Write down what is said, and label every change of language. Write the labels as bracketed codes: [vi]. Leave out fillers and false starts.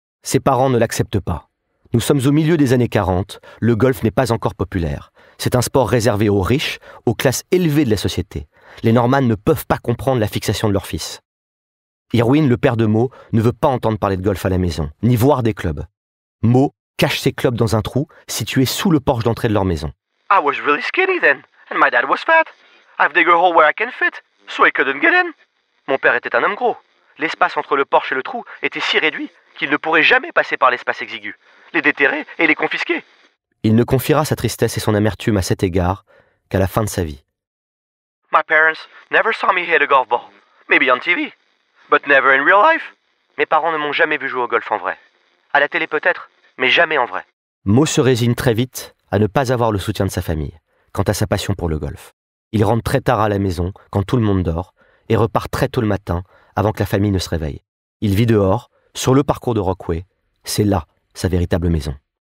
[fr] Ses parents ne l'acceptent pas. Nous sommes au milieu des années 40, le golf n'est pas encore populaire. C'est un sport réservé aux riches, aux classes élevées de la société. Les Norman ne peuvent pas comprendre la fixation de leur fils. Irwin, le père de Mo, ne veut pas entendre parler de golf à la maison, ni voir des clubs. Mo cache ses clubs dans un trou situé sous le porche d'entrée de leur maison. [en] I was really skinny then, and my dad was fat. I've dig a hole where I can fit, so I couldn't get in. [fr] Mon père était un homme gros. L'espace entre le porche et le trou était si réduit qu'il ne pourrait jamais passer par l'espace exigu, les déterrer et les confisquer. Il ne confiera sa tristesse et son amertume à cet égard qu'à la fin de sa vie. [en] My parents never saw me hit a golf ball. Maybe on TV, but never in real life. [fr] Mes parents ne m'ont jamais vu jouer au golf en vrai. À la télé peut-être, mais jamais en vrai. Mo se résigne très vite à ne pas avoir le soutien de sa famille quant à sa passion pour le golf. Il rentre très tard à la maison quand tout le monde dort et repart très tôt le matin avant que la famille ne se réveille. Il vit dehors, sur le parcours de Rockway. C'est là sa véritable maison.